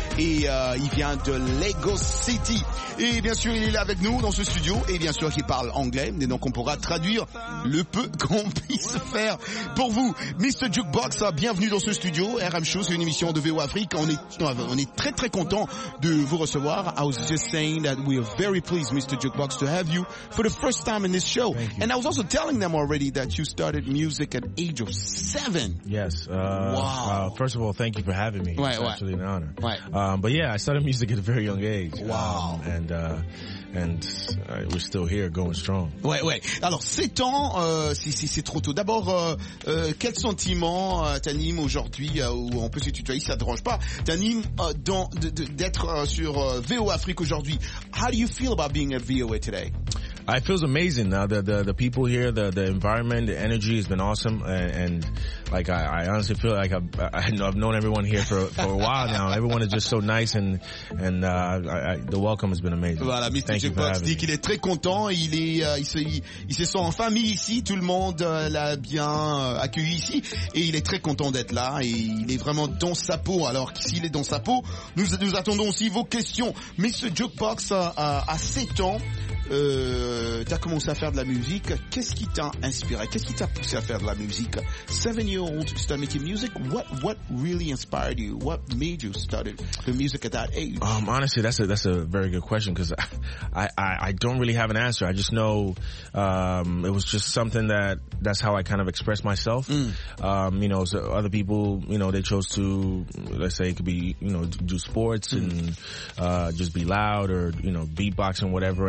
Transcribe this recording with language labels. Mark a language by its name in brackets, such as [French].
[French] Et il vient de Lagos City. Et bien sûr, il est là avec nous dans ce studio. Et bien sûr, il parle anglais. Et donc, on pourra traduire le peu qu'on puisse faire pour vous. Mr. Jukebox, bienvenue dans ce studio. RM Show, c'est une émission de VOA Afrique. On est très très content de vous recevoir. [English] I was just saying that we are very pleased, Mr. Jukebox, to have you for the first time in this show. Thank you. And I was also telling them already that you started music at age of 7. Yes. Wow. First of all, thank you for having me. Right, it's right. Actually an honor. Right. But yeah, I started music at a very young age. Wow. And we're still here going strong. [French] Ouais, ouais. Alors, 7 ans, c'est trop tôt. D'abord, quel sentiment t'anime aujourd'hui, ou en plus, si tu te dis, ça ne te dérange pas, t'anime d'être sur VOA Afrique aujourd'hui. [English] How do you feel about being at VOA today? It feels amazing. The people here, the environment, the energy has been awesome. And like I honestly feel like I've known everyone here for a while now. Everyone is just so nice and the welcome has been amazing. [French] Voilà, Mr. Jukebox dit qu'il est très content. Il se sent en famille ici. Tout le monde l'a bien accueilli ici et il est très content d'être là. Et il est vraiment dans sa peau. Alors s'il est dans sa peau, nous attendons aussi vos questions. Mr. Jukebox a 7 ans. t'as commencé à faire de la musique. Qu'est-ce qui t'a inspiré? Qu'est-ce qui t'a poussé à faire de la musique? [English] 7 years old, started making music. What really inspired you? What made you start the music at that age? Honestly, that's a very good question, because I don't really have an answer. I just know it was just something that's how I kind of expressed myself. Mm. You know, so other people, you know, they chose to, let's say, it could be, you know, do sports and just be loud, or, you know, beatboxing, whatever.